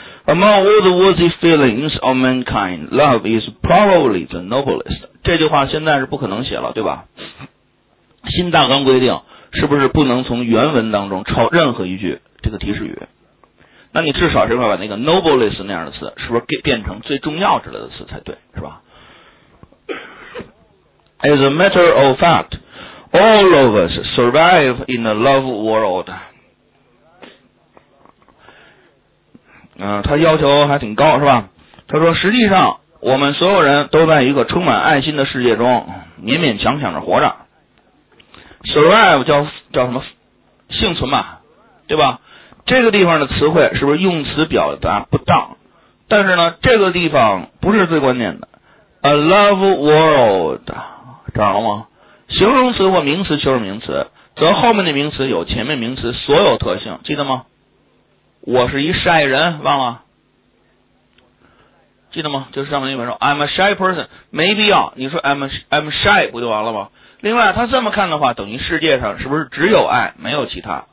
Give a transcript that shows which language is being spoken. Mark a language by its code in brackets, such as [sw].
[en] Among all the worthy feelings of mankind love is probably the noblest， [zh] 这句话现在是不可能写了，对吧，新大纲规定是不是不能从原文当中抄任何一句这个提示语，那你至少是要把那个 noblest 那样的词是不是变成最重要之类的词才对，是吧。 [en] As a matter of fact all of us survive in a love world， [zh] 他要求还挺高，是吧，他说实际上我们所有人都在一个充满爱心的世界中勉勉强强的活着。 Survive 叫什么，幸存嘛，对吧？这个地方的词汇是不是用词表达不当？但是呢，这个地方不是最关键的。 [en] A love world， [zh] 知道吗？形容词或名词就是名词，则后面的名词有前面名词所有特性，记得吗？我是一 shy 人，忘了，记得吗？就是上面那本书 [en] I'm a shy person， [zh] 没必要你说 I'm shy 不就完了吗？另外他这么看的话，等于世界上是不是只有爱没有其他？